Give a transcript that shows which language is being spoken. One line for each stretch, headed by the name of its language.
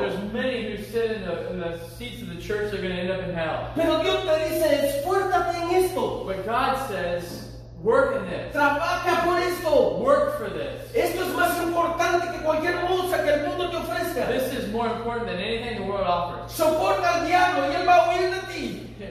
English: There's many who sit in the seats of the church that are going to end up in hell.
Spanish: Pero Dios te dice, esfuérzate en esto.
English: But God says, work in this.
Spanish: Trabaja por esto.
English: Work for this.
Spanish: Esto es más importante que cualquier bolsa que el mundo te ofrezca.
English: This is more important than anything the world offers.
Spanish: Soporta al diablo y él va a huir de ti.